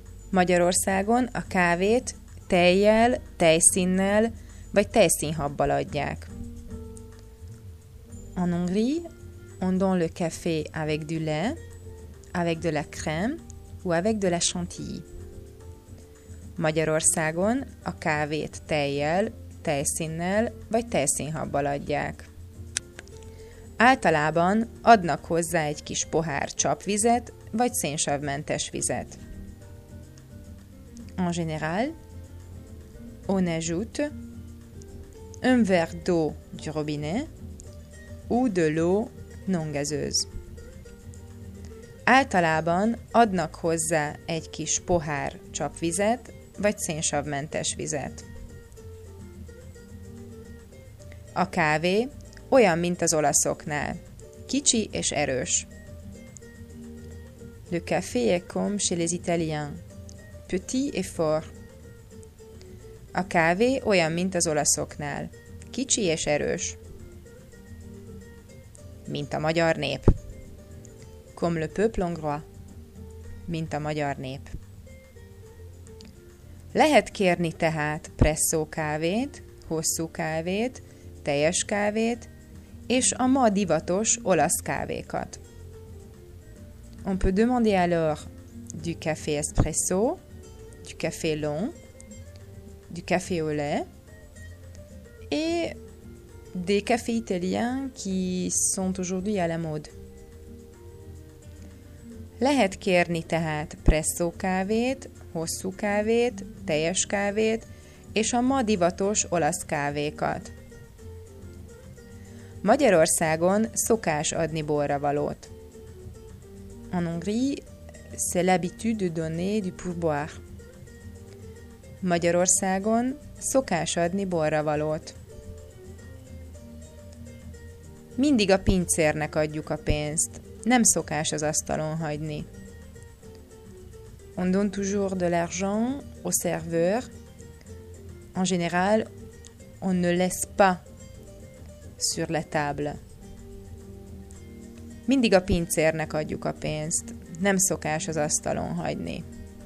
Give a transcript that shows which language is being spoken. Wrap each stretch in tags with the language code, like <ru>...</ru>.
<hu>Magyarországon a kávét tejjel, tejszínnel vagy tejszínhabbal adják.</hu> <fr>En Hongrie, on donne le café avec du lait, avec de la crème ou avec de la chantilly.</fr> <hu>Magyarországon a kávét tejjel, tejszínnel vagy tejszínhabbal adják. Általában adnak hozzá egy kis pohár csapvizet vagy szénsavmentes vizet.</hu> <fr>En général, on ajoute un verre d'eau du robinet ou de l'eau non gazeuse.</fr> <hu>Általában adnak hozzá egy kis pohár csapvizet vagy szénsavmentes vizet. A kávé olyan, mint az olaszoknál. Kicsi és erős.</hu> <fr>Le café est comme chez les Italiens. Petit et fort.</fr> <hu>A kávé olyan, mint az olaszoknál. Kicsi és erős. Mint a magyar nép.</hu> <fr>Comme le peuple hongrois.</fr> <hu>Mint a magyar nép. Lehet kérni tehát presszó kávét, hosszú kávét, teljes kávét és a ma divatos olasz kávékat.</hu> <fr>On peut demander alors du café espresso, du café long, du café au lait et des cafés italiens qui sont aujourd'hui à la mode.</fr> <hu>Lehet kérni tehát presszó kávét, hosszú kávét, teljes kávét és a ma divatos olasz kávékat. Magyarországon szokás adni borravalót.</hu> <fr>En Hongrie, c'est l'habitude de donner du pourboire.</fr> <hu>Magyarországon szokás adni borravalót. Mindig a pincérnek adjuk a pénzt. Nem szokás az asztalon hagyni.</hu> <fr>On donne toujours de l'argent au serveur. En général, on ne laisse pas sur la table.</fr> <hu>Mindig a pincérnek adjuk a pénzt. Nem szokás az asztalon hagyni.</hu>